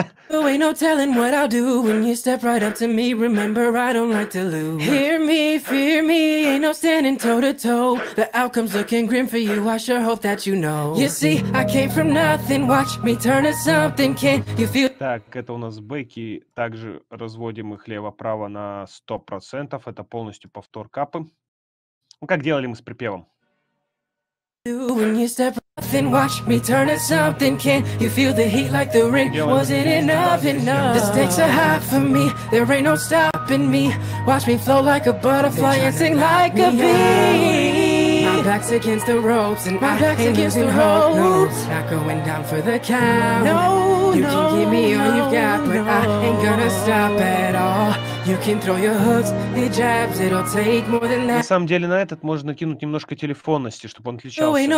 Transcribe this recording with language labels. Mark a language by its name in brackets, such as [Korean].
[English] Ain't no telling what I'll do when you step right up to me. Remember, I don't like to lose. Hear me, fear me, ain't no standing toe to toe. The outcome's looking grim for you, I sure hope that you know. You see, I came from nothing, watch me turn to something, can't you feel. [Russian] Так, это у нас бэки, также разводим их лево-право на 100%, это полностью повтор капы. Ну, как делали мы с припевом. [English] When you step then watch me turn to something, can you feel the heat like the ring? Was it enough, enough? The stakes are high for me, there ain't no stopping me. Watch me flow like a butterfly and sing like a bee. My back's against the ropes and my back's against the ropes. Not going down for the count. No, you can give me all you've got, but I ain't gonna stop at all. You can throw your hooks, your jabs, it'll take more than that. [Russian] На самом деле на этот можно кинуть немножко телефонности, чтобы он отличался.